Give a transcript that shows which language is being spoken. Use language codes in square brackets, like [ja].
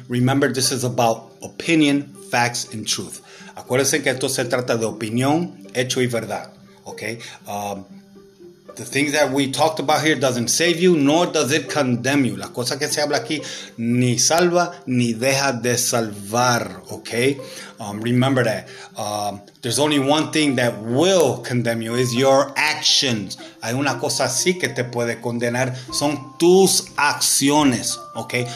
[en] Remember, this is about opinion, facts, and truth. [es] Acuérdense que esto se trata de opinión, hecho y verdad. [en] Okay? The things that we talked about here doesn't save you, nor does it condemn you. [es] La cosa que se habla aquí ni salva ni deja de salvar, okay? [en] Remember that. There's only one thing that will condemn you, is your actions. [es] Hay una cosa sí que te puede condenar, son tus acciones, okay?